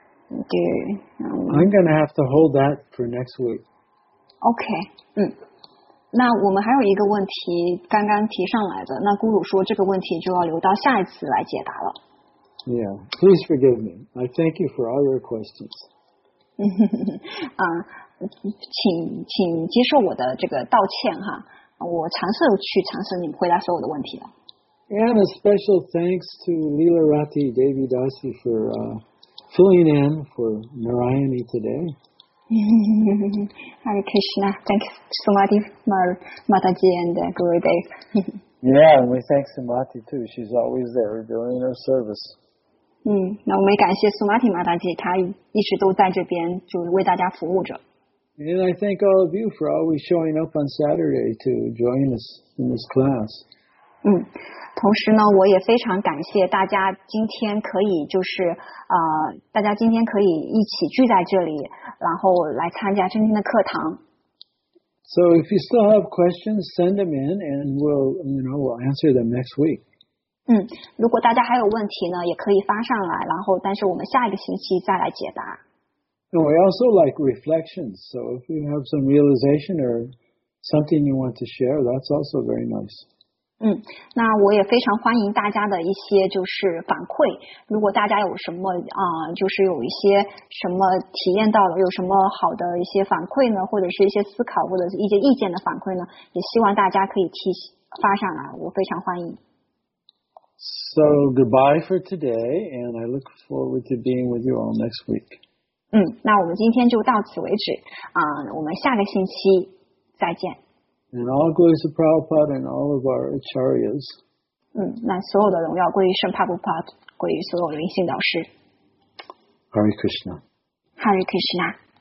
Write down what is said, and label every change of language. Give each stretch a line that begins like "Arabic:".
English: I'm going to have to hold that for next week. Okay.
Chinese: 那我们还有一个问题刚刚提上来的，那咕噜说这个问题就要留到下一次来解答了。
English: Yeah, please forgive me. I thank you for all your questions.
Chinese: 请接受我的这个道歉哈，我尝试去尝试你们回答所有的问题了。
English: And a special thanks to Leela Rati Devi Dasi for filling in for Narayani today. Hare Krishna, thank you so much, Mataji and Guru Dev. Yeah, and we thank Sumati too. She's always there doing her service.
Chinese: 那我们也感谢 Sumati Mataji, 她一直都在这边就为大家服务着。
English: And I thank all of you for always showing up on Saturday to join us in this class.
Chinese: 同时呢，我也非常感谢大家今天可以就是大家今天可以一起聚在这里，然后来参加今天的课堂。
English: So if you still have questions, send them in, and we'll answer them next week.
Chinese: 如果大家还有问题呢，也可以发上来，然后但是我们下一个星期再来解答。
English: And we also like reflections. So if you have some realization or something you want to share, that's also very nice.
Chinese: 那我也非常欢迎大家的一些就是反馈。如果大家有什么就是有一些什么体验到了，有什么好的一些反馈呢，或者是一些思考或者是一些意见的反馈呢，也希望大家可以发上来，我非常欢迎。
English: So goodbye for today, and I look forward to being with you all next week.
Chinese: 那我们今天就到此为止我们下个星期再见。
English: And all glories to Prabhupada and all of our acharyas.
Chinese: 那所有的荣耀归于圣帕布帕，归于所有灵性导师。
English: Hare Krishna. Hare Krishna.